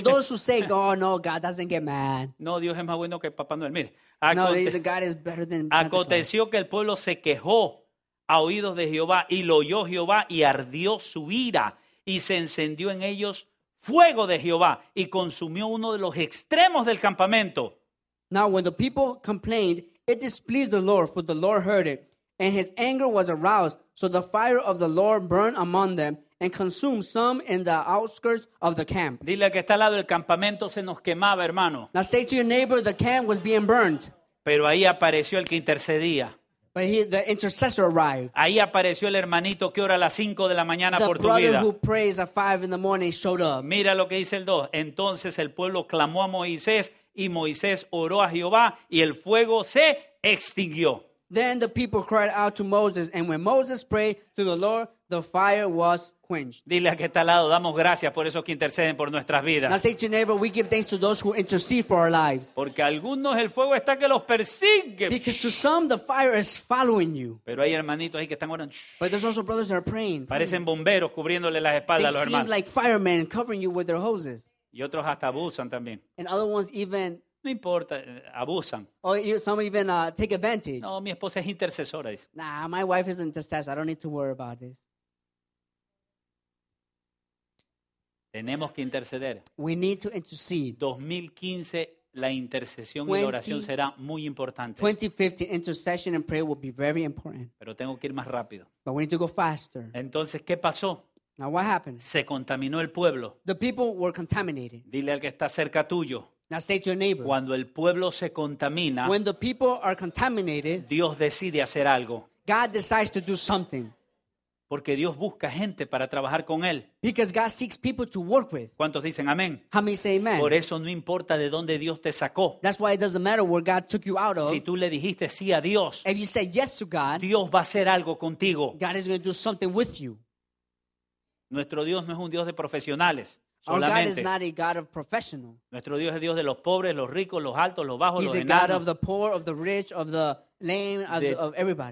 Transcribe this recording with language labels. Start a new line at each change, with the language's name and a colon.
English: For those who say, oh, no, God doesn't get mad.
Spanish: No, Dios es más bueno que Papá Noel. Mire,
English: God is better than
Spanish: aconteció que el pueblo se quejó a oídos de Jehová y lo oyó Jehová y ardió su ira y se encendió en ellos fuego de Jehová y consumió uno de los extremos del campamento.
English: Now, when the people complained, it displeased the Lord, for the Lord heard it, and his anger was aroused, so the fire of the Lord burned among them. and consumed some in the outskirts of the camp.
Spanish: Dile que está al lado del campamento se nos quemaba, hermano.
English: Now say to your neighbor, the camp was being burned.
Spanish: Pero ahí apareció el que intercedía.
English: But he, the intercessor arrived.
Spanish: Ahí apareció el hermanito que ora a las 5 de la mañana
English: the
Spanish: por tu vida.
English: The brother who prays at 5 in the morning showed up.
Spanish: Mira lo que dice el 2. Entonces el pueblo clamó a Moisés y Moisés oró a Jehová y el fuego se extinguió.
English: Then the people cried out to Moses, and when Moses prayed to the Lord, the fire was quenched.
Spanish: Dile a que está al lado, damos gracias por esos que interceden por nuestras vidas.
English: Now say to your neighbor, we give thanks to those who intercede for our lives.
Spanish: Porque algunos el fuego está que los persigue.
English: Because to some the fire is following you.
Spanish: Pero hay hermanitos ahí que están orando.
English: But there's also brothers that are praying.
Spanish: Parecen bomberos cubriéndole las espaldas a los hermanos.
English: They seem like firemen covering you with their hoses.
Spanish: Y otros hasta abusan también.
English: And other ones even...
Spanish: No importa, abusan.
English: Or some even take advantage.
Spanish: No, mi esposa es intercesora. Dice.
English: Nah, my wife is intercessor. I don't need to worry about this.
Spanish: Tenemos que interceder.
English: We need to intercede.
Spanish: 2015, la intercesión y la oración será muy importante.
English: 2015, intercession and prayer will be very important.
Spanish: Pero tengo que ir más rápido.
English: But we need to go faster.
Spanish: Entonces, ¿qué pasó?
English: Now, what happened?
Spanish: Se contaminó el pueblo.
English: The people were contaminated.
Spanish: Dile al que está cerca tuyo.
English: Now say to your neighbor.
Spanish: Cuando el pueblo se contamina,
English: when the people are contaminated,
Spanish: Dios decide hacer algo.
English: God decides to do something.
Spanish: Porque Dios busca gente para trabajar con él.
English: Because God seeks people to work with.
Spanish: ¿Cuántos dicen amén?
English: How many say amen?
Spanish: Por eso no importa de dónde Dios te sacó.
English: That's why it doesn't matter where God took you out of.
Spanish: Si tú le dijiste sí a Dios,
English: if you said yes to God,
Spanish: Dios va a hacer algo contigo.
English: God is going to do something with you.
Spanish: Nuestro Dios no es un Dios de profesionales. Solamente.
English: Our God is not a God of professional.
Spanish: Nuestro Dios es Dios de los pobres, los ricos, los altos, los bajos,
English: He's
Spanish: los enanos.
English: He's a God of the poor, of the rich, of the lame, of everybody.